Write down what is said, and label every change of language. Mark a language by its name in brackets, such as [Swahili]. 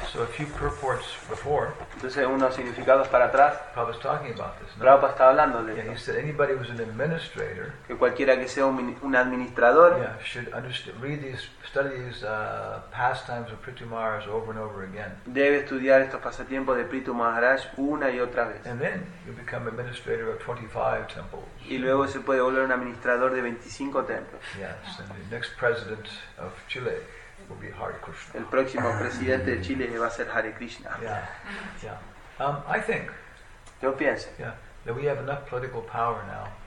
[English] So a few purports before, [Spanish] entonces, unos significados para atrás, [English] Prabhupada, talking about this, no? [Spanish] Prabhupada está hablando de esto. [English] He said anybody who's an administrator, [Spanish] que cualquiera que sea un administrador, [English] yeah, should read study these pastimes of Prithu Maharaj over and over again. [Spanish] Debe estudiar estos pasatiempos de Prithu Maharaj una y otra vez. [English] And then you become administrator of 25 temples. [Spanish] Y luego se puede volver un administrador de 25 templos. [English] Yes, and the next president of Chile will be Hare Krishna. [Spanish] El próximo presidente de Chile va a ser Hare Krishna. [English] I think. [Spanish] Yo pienso. [English] Yeah, that we have enough political power now.